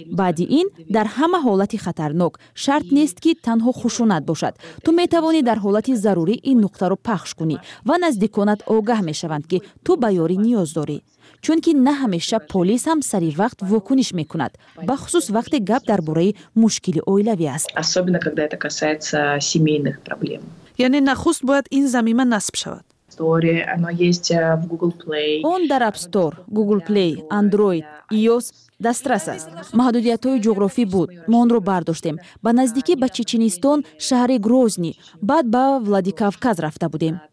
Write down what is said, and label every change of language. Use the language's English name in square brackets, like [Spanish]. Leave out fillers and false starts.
[Persian] بعد این در همه حالات خطرناک، شرط نیست که تنها خشونت باشد. تو میتوانی در حالت ضروری این نقطه را پخش کنی و نزدیکانت آگاه میشوند که تو به یاری نیاز داری. چون که نه همیشه پلیس هم سری وقت واکنش میکند، به خصوص وقتی گپ درباره مشکل اویلوی است. [Russian] особенно когда это касается семейных проблем. [Persian] یعنی نخست باید این زمینه نصب شود. اون در اپ استور، گوگل پلی، اندروید، iOS دسترس است. محدودیت های جغرافی بود. ما اون رو برداشتیم. با نزدیکی به چچنستان، شهر گروزنی، بعد با ولادیکاوکاز رفته بودیم.